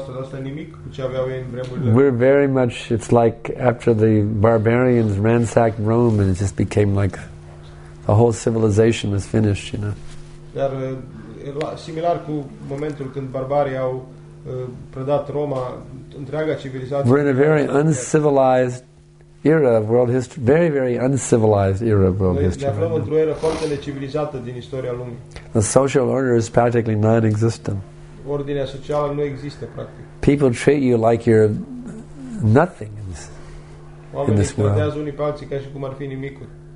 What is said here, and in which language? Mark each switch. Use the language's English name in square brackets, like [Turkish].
[English] We're very much, it's like after the barbarians ransacked Rome and it just became like the whole civilization was finished, you know. [Romanian] Dar similar cu momentul când barbarii au predat Roma, întreaga civilizație. [English] We're in a very uncivilized era of world history, very very uncivilized era of world history. [Romanian] Ne aflăm într-o eră foarte necivilizată din istoria lumii. [English] The social order is practically non-existent. [Romanian] Ordinea socială nu există practic. [English] People treat you like you're nothing in this world. [Romanian] Oamenii tratează unii pe alții ca și cum ar fi nimicuri.